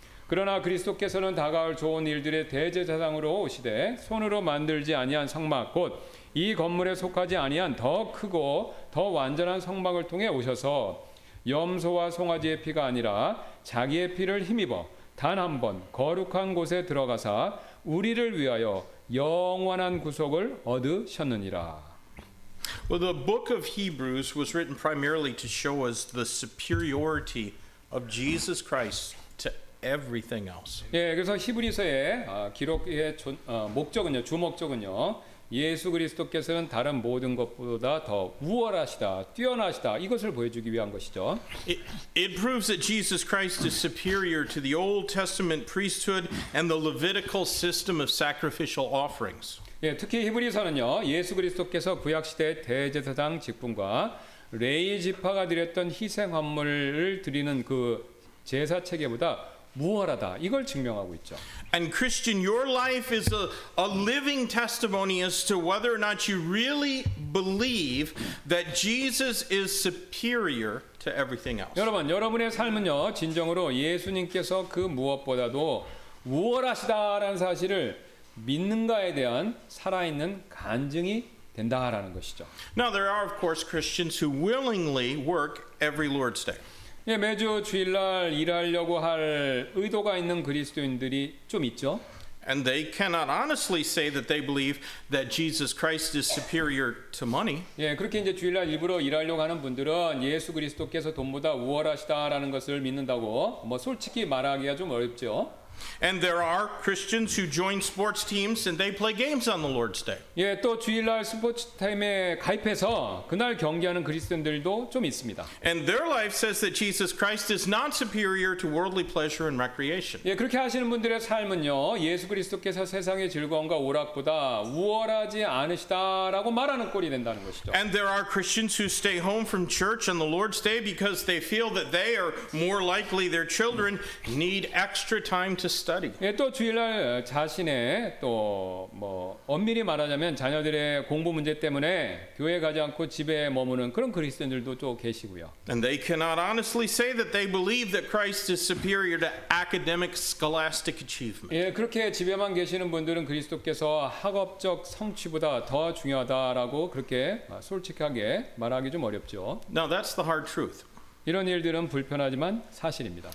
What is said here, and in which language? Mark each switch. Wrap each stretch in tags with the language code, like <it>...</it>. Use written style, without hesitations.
<ko>그러나 그리스도께서는 다가올 좋은 일들의 대제사장으로 오시되 손으로 만들지 아니한 성막 곧 이 건물에 속하지 아니한 더 크고 더 완전한 성막을 통해 오셔서 염소와 송아지의 피가 아니라 자기의 피를 힘입어 단 한 번 거룩한 곳에 들어가사 우리를 위하여 영원한 구속을 얻으셨느니라.</ko> <en>Well, the book of Hebrews was written primarily to show us the superiority of Jesus Christ to everything else.</en> <ko>예, 그래서 히브리서의 기록의 목적은요, 주목적은요, 예수 그리스도께서는 다른 모든 것보다 더 우월하시다, 뛰어나시다 이것을 보여주기 위한 것이죠.</ko> <en>It proves that Jesus Christ is superior to the Old Testament priesthood and the Levitical system of sacrificial offerings.</en> <ko>예, 특히 히브리서는요. 예수 그리스도께서 구약 시대 대제사장 직분과 레위 지파가 드렸던 희생 헌물을 드리는 그 제사 체계보다 무활하다. 이걸 증명하고 있죠.</ko> <en>And Christian, your life is a living testimony as to whether or not you really believe that Jesus is superior to everything else.</en> <ko>여러분, 여러분의 삶은요. 진정으로 예수님께서 그 무엇보다도 우월하시다라는 사실을 믿는가에 대한 살아있는 간증이 된다라는 것이죠.</ko> <en>Now there are of course Christians who willingly work every Lord's Day.</en> <ko>예, 매주 주일날 일하려고 할 의도가 있는 그리스도인들이 좀 있죠.</ko> <en>And they cannot honestly say that they believe that Jesus Christ is superior to money.</en> <ko>예, 그렇게 이제 주일날 일부러 일하려고 하는 분들은 예수 그리스도께서 돈보다 우월하시다라는 것을 믿는다고 뭐 솔직히 말하기가 좀 어렵죠.</ko> <en>And there are Christians who join sports teams and they play games on the Lord's Day.</en> <ko>예, 또 주일날 스포츠 팀에 가입해서 그날 경기하는 그리스도인들도 좀 있습니다.</ko> <en>And their life says that Jesus Christ is not superior to worldly pleasure and recreation.</en> <ko>예, 그렇게 하시는 분들의 삶은요. 예수 그리스도께서 세상의 즐거움과 오락보다 우월하지 않으시다라고 말하는 꼴이 된다는 것이죠.</ko> <en>And there are Christians who stay home from church on the Lord's Day because they feel that they are more likely their children need extra time to study.</en> <ko>예, 또 주일날 자신의 또 뭐 엄밀히 말하자면 자녀들의 공부 문제 때문에 교회 가지 않고 집에 머무는 그런 그리스도인들도 또 계시고요.</ko> <en>And they cannot honestly say that they believe that Christ is superior to academic scholastic achievement.</en> <ko>예, 그렇게 집에만 계시는 분들은 그리스도께서 학업적 성취보다 더 중요하다라고 그렇게 솔직하게 말하기 좀 어렵죠.</ko> <en>Now that's the hard truth.</en> <ko>이런 일들은 불편하지만 사실입니다.</ko>